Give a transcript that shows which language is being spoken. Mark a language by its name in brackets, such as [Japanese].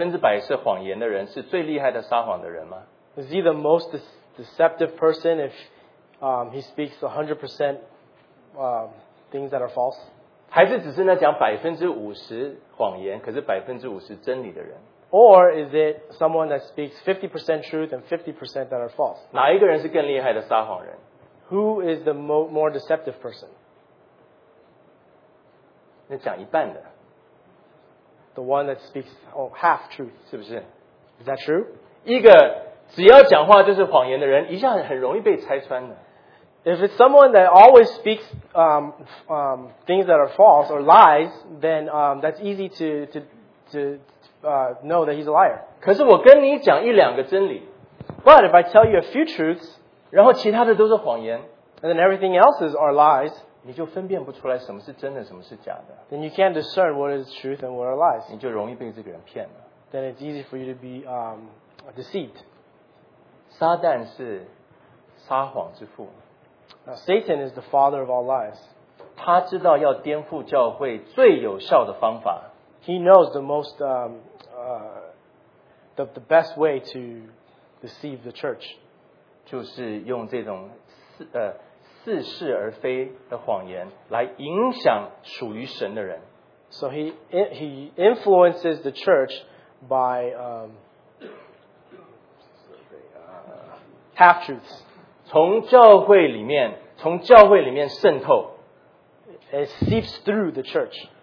[Chinese] 所以当他讲话的时候，百分之百是谎言的人，是最厉害的撒谎的人吗？ [English] Is he the most deceptive person if he speaks 100% things that are false? [Chinese] 还是只是那讲50%谎言，可是50%真理的人？ [English] Or is it someone that speaks 50% truth and 50% that are false? [Chinese] 哪一个人是更厉害的撒谎人？ [English] Who is the more deceptive person? [Chinese] 那讲一半的。 [English] The one that speaks half truth. [Chinese] 是不是? [English] Is that true? [Chinese] 一个只要讲话就是谎言的人，一下很容易被拆穿的。 [English] If it's someone that always speaks things that are false or lies, then that's easy to know that he's a liar. [Chinese] 可是我跟你讲一两个真理, [English] but if I tell you a few truths, [Chinese] 然后其他的都是谎言, [English] and then everything else is our lies, [Chinese] 你就分辨不出来什么是真的，什么是假的。 [English] Then you can't discern what is truth and what are lies. [Chinese] 你就容易被这个人骗了。 [English] Then it's easy for you to be deceived. [Chinese] 撒旦是撒谎之父。 [English] Now, Satan is the father of all lies. [Chinese] 他知道要颠覆教会最有效的方法。 [English] He knows the most the best way to deceive the church. [Chinese] 就是用这种似是而非的谎言来影响属于神的人。 [English] So he influences the church by half truths. [Chinese] 从教会里面渗透。 [English] It seeps through the church.